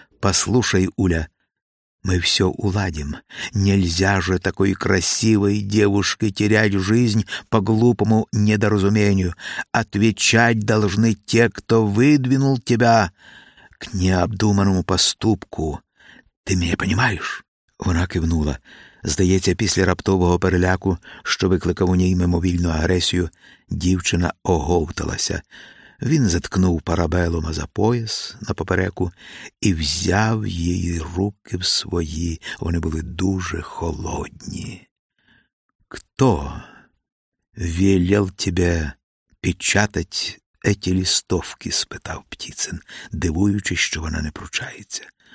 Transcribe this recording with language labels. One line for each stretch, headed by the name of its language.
Russian: Послушай, Уля, мы все уладим. Нельзя же такой красивой девушке терять жизнь по глупому недоразумению. Отвечать должны те, кто выдвинул тебя к необдуманному поступку. Ты меня понимаешь?»
Ukrainian: Вона кивнула. Здається, після раптового переляку, що викликав у ній мимовільну агресію, дівчина оговталася. Він заткнув парабеллума за пояс на попереку і взяв її руки в свої. Вони були дуже холодні.
Russian: «Кто велел тебе печатать эти листовки?»
Ukrainian: – спитав Птицин, дивуючись, що вона не пручається.